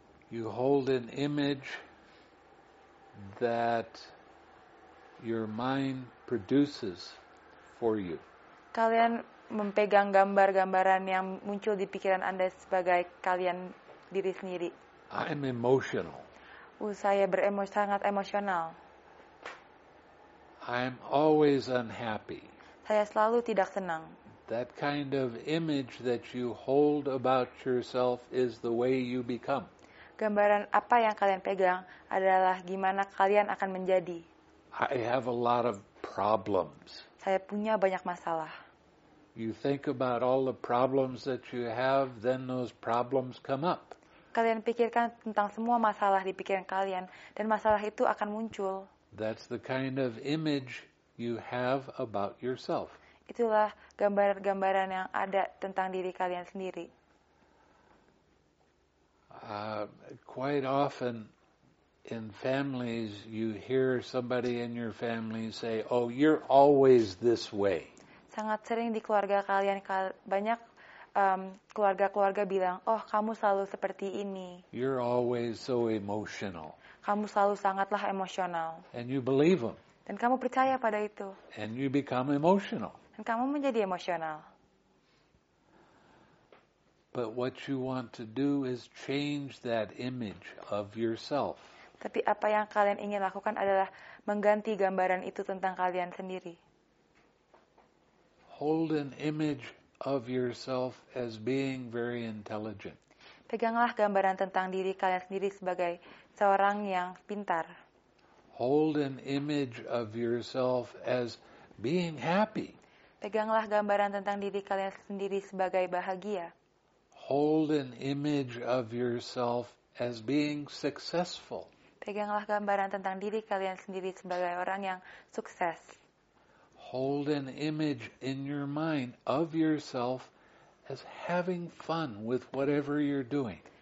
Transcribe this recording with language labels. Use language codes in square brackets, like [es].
[en] You hold an image that your mind produces for you. [id] Kalian memegang gambar-gambaran yang muncul di pikiran Anda sebagai kalian diri sendiri. [en] I'm emotional. [id] Saya beremosi, sangat emosional. [en] I'm always unhappy. [id] Saya selalu tidak senang. [en] That kind of image that you hold about yourself is the way you become. [id] Gambaran apa yang kalian pegang adalah gimana kalian akan menjadi. [en] I have a lot of problems. [id] Saya punya banyak masalah. [en] You think about all the problems that you have, then those problems come up. [id] Kalian pikirkan tentang semua masalah di pikiran kalian, dan masalah itu akan muncul. [en] That's the kind of image you have about yourself. [id] Itulah gambar-gambaran yang ada tentang diri kalian sendiri. [en] Quite often in families you hear somebody in your family say, oh, you're always this way. [id] Sangat sering di keluarga kalian, banyak keluarga-keluarga bilang, oh, kamu selalu seperti ini. [en] You're always so emotional. [id] Kamu selalu sangatlah emosional. [en] And you believe them. [id] Dan kamu percaya pada itu. [en] And you become emotional. [id] Dan kamu menjadi emosional. [en] But what you want to do is change that image of yourself. [id] Tapi apa yang kalian ingin lakukan adalah mengganti gambaran itu tentang kalian sendiri. [en] Hold an image of yourself as being very intelligent. [id] Peganglah gambaran tentang diri kalian sendiri sebagai seorang yang pintar. [en] Hold an image of yourself as being happy. [id] Peganglah gambaran tentang diri kalian sendiri sebagai bahagia. [en] Hold an image of yourself as being successful. [id] Peganglah gambaran tentang diri kalian sendiri sebagai orang yang sukses. [en] Hold an image in your mind of yourself as having fun with whatever you're doing.